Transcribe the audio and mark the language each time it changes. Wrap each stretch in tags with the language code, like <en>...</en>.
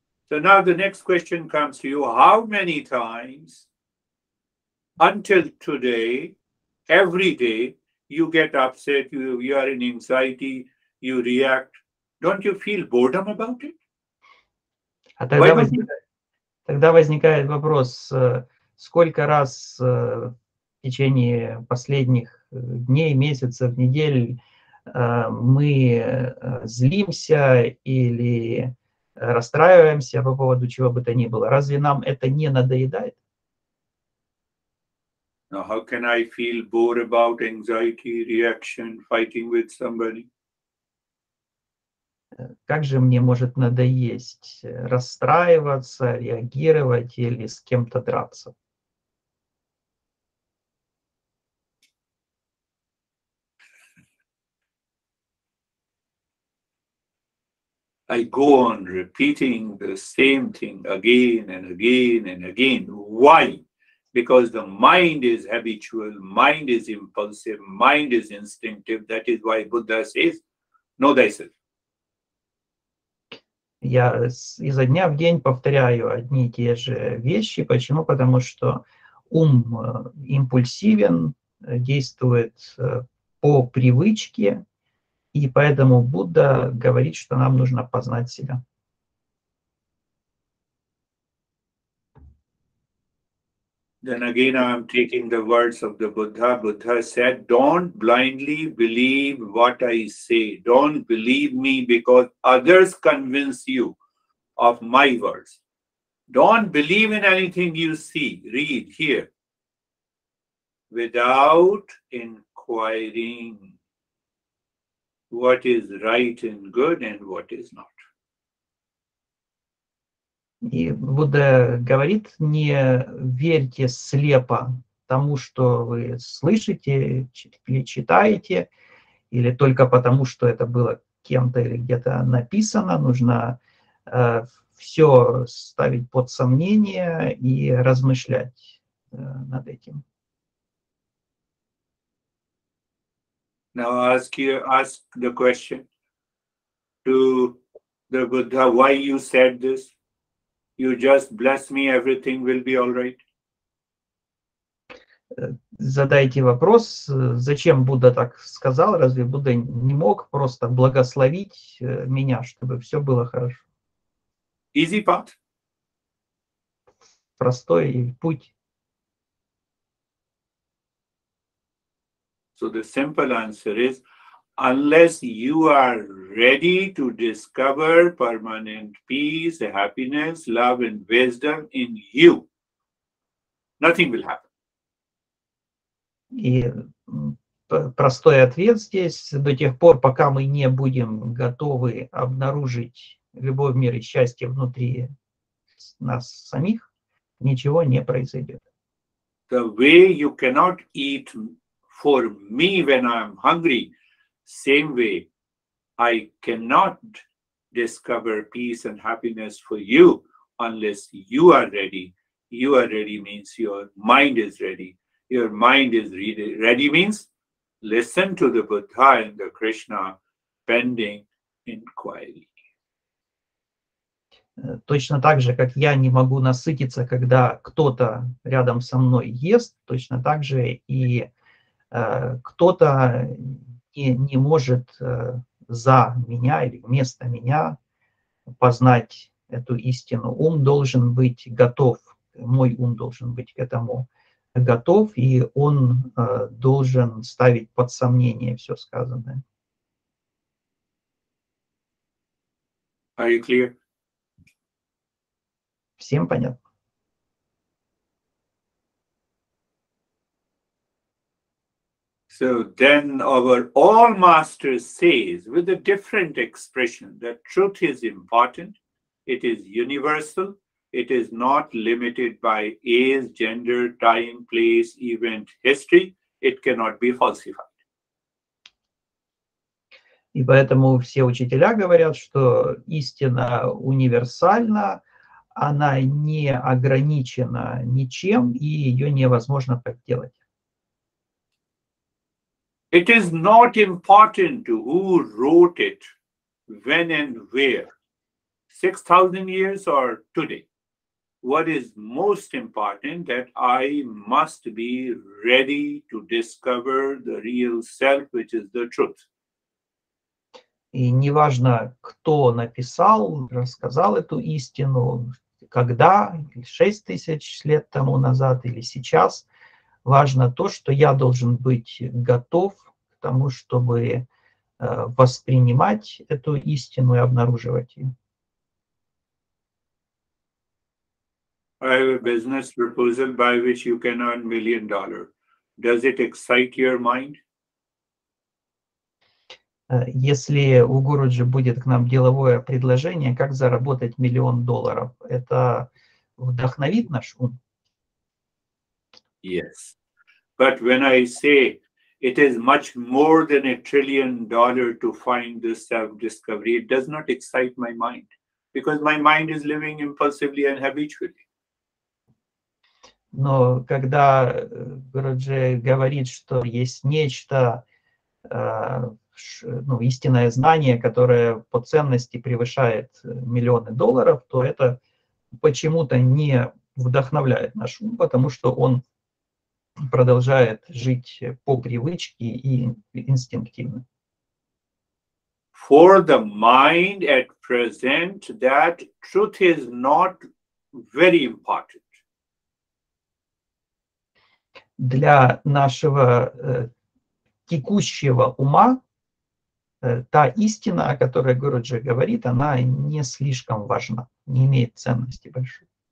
<en>So now the next question comes to you. How many times until today, every day, you get upset, you are in anxiety, you react? Don't you feel boredom about it?</en> <ru>Тогда возникает вопрос, сколько раз в течение последних дней, месяцев, недель мы злимся или расстраиваемся по поводу чего бы то ни было. Разве нам это не надоедает?</ru> <en>Now, how can I feel bored about anxiety, reaction, fighting with somebody?</en> <ru>Как же мне может надоесть расстраиваться, реагировать или с кем-то драться?</ru> <en>I go on repeating the same thing again and again and again. Why? Because the mind is habitual, mind is impulsive, mind is instinctive. That is why Buddha says, know thyself.</en> <ru>Я изо дня в день повторяю одни и те же вещи. Почему? Потому что ум импульсивен, действует по привычке. И поэтому Будда говорит, что нам нужно познать себя.</ru> <en>Then again I'm taking the words of the Buddha. Buddha said, don't blindly believe what I say. Don't believe me because others convince you of my words. Don't believe in anything you see, read, hear, without inquiring what is right and good and what is not.</en> <ru>И Будда говорит, не верьте слепо тому, что вы слышите или читаете, или только потому, что это было кем-то или где-то написано. Нужно все ставить под сомнение и размышлять над этим.</ru> <en>Now ask the question to the Buddha, why you said this? You just bless me, everything will be all right.</en> <ru>Задайте вопрос, зачем Будда так сказал, разве Будда не мог просто благословить меня, чтобы все было хорошо?</ru> <en>Easy path.</en> <ru>Простой путь.</ru> <en>So the simple answer is, unless you are ready to discover permanent peace, happiness, love and wisdom in you, nothing will happen.</en> <ru>И простой ответ здесь: до тех пор, пока мы не будем готовы обнаружить любовь, мир и счастье внутри нас самих, ничего не произойдет.</ru> <en>The way you cannot eat for me when I'm hungry, same way I cannot discover peace and happiness for you unless you are ready. You are ready means your mind is ready. Your mind is ready means listen to the Buddha and the Krishna pending inquiry.</en> <ru>Точно так же, как я не могу насытиться, когда кто-то рядом со мной ест, точно так же и кто-то не может за меня или вместо меня познать эту истину. Ум должен быть готов, мой ум должен быть к этому готов, и он должен ставить под сомнение все сказанное.</ru> <en>Are you clear?</en> <ru>Всем понятно.</ru> <en>So then our all master says with a different expression that truth is important, it is universal, it is not limited by age, gender, time, place, event, history, it cannot be falsified.</en> <ru>И поэтому все учителя говорят, что истина универсальна, она не ограничена ничем, и ее невозможно подделать.</ru> <en>It is not important who wrote it, when and where, 6,000 years or today. What is most important that I must be ready to discover the real self, which is the truth.</en> <ru>И неважно, кто написал, рассказал эту истину, когда, 6,000 лет тому назад или сейчас, важно то, что я должен быть готов тому, чтобы воспринимать эту истину и обнаруживать ее.</ru> <en>I have a business proposal by which you can earn $1 million. Does it excite your mind?</en> <ru>Если у Гуруджи будет к нам деловое предложение, как заработать $1 million, это вдохновит наш ум?</ru> <en>Yes. But when I say it is much more than $1 trillion to find this self-discovery, it does not excite my mind, because my mind is living impulsively and habitually.</en> <ru>Но когда Гуруджи говорит, что есть нечто, ну, истинное знание, которое по ценности превышает $1 million, то это почему-то не вдохновляет наш ум, потому что он продолжает жить по привычке и инстинктивно.</ru> <en>For the mind at present, that truth is not very important.</en> <ru>Для нашего текущего ума та истина, о которой Гуруджи говорит, она не слишком важна, не имеет ценности большой.</ru>